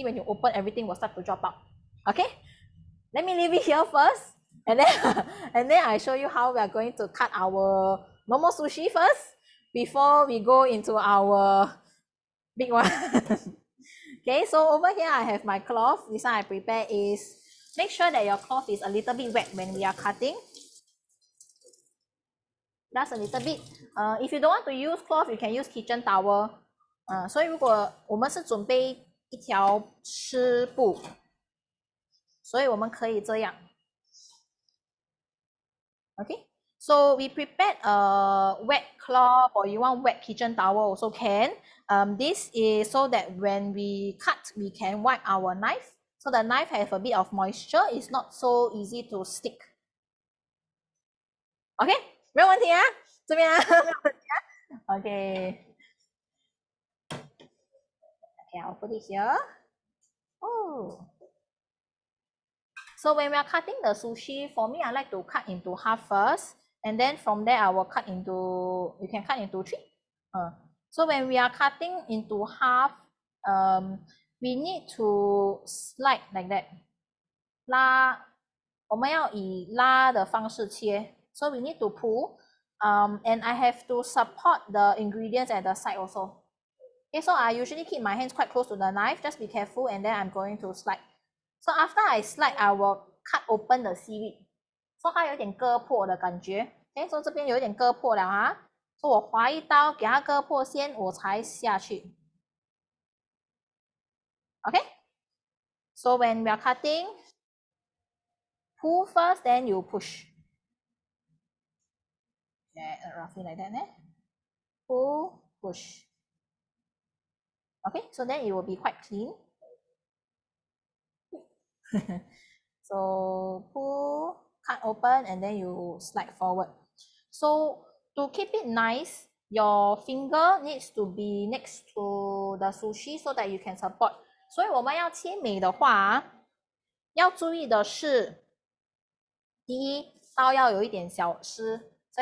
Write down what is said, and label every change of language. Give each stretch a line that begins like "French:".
English: When you open everything, will start to drop out. Okay, let me leave it here first, and then I show you how we are going to cut our normal sushi first before we go into our big one. Okay, so over here I have my cloth. This one I prepare is make sure that your cloth is a little bit wet when we are cutting. Just a little bit. If you don't want to use cloth, you can use kitchen towel.
Chinese: 所以如果我们是准备一条湿布，所以我们可以这样。
English: Okay. So we prepared a wet cloth, or you want wet kitchen towel also can. This is so that when we cut, we can wipe our knife. So the knife has a bit of moisture. It's not so easy to stick. Okay.
Chinese: 没有问题啊，这边啊，没有问题啊。
English: OK, I'll put it here. Oh, so when we are cutting the sushi, for me, I like to cut into half first, And then from there, I will cut into, you can cut into three. So when we are cutting into half, we need to slide like that.
Chinese: 拉, 我们要以拉的方式切,
English: so we need to pull. And I have to support the ingredients at the side also. Okay, so I usually keep my hands quite close to the knife, just be careful, and then I'm going to slide. So after I slide, I will cut open the seaweed.
Chinese: So 它有点割破的感觉.
English: Okay, so
Chinese: 这边有点割破了, huh? So 我划一刀给它割破先, 我才下去.
English: Okay? So when we are cutting, pull first, then you push. Yeah, roughly like that, eh? Pull, push. Okay, so then it will be quite clean. So pull, cut open, and then you slide forward. So to keep it nice, your finger needs to be next to the sushi so that you can support.
Chinese: 所以我们要切美的话，要注意的是，第一刀要有一点小湿。